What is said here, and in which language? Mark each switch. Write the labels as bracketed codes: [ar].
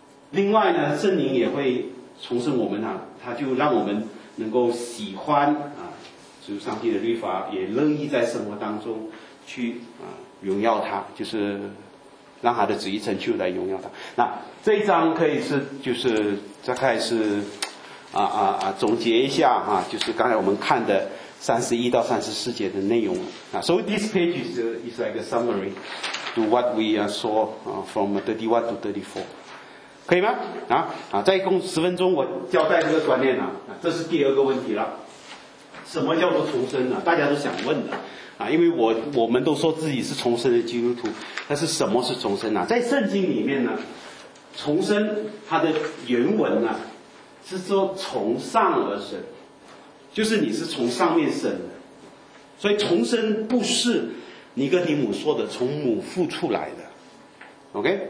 [zh] 另外呢，圣灵也会重生我们，他就让我们能够喜欢主上帝的律法，也乐意在生活当中去荣耀他，就是让他的旨意成就来荣耀他。那这一章可以是就是大概是总结一下就是刚才我们看的31-34节的内容啊。 [en] So this page is like a summary to what we saw from 31-34， [zh] 可以吗？再共10分钟，我交代这个观念这是第二个问题了，什么叫做重生大家都想问的因为我们都说自己是重生的基督徒，但是什么是重生在圣经里面呢？重生它的原文是说从上而生，就是你是从上面生的，所以重生不是尼哥底母说的从母腹出来的 ，OK？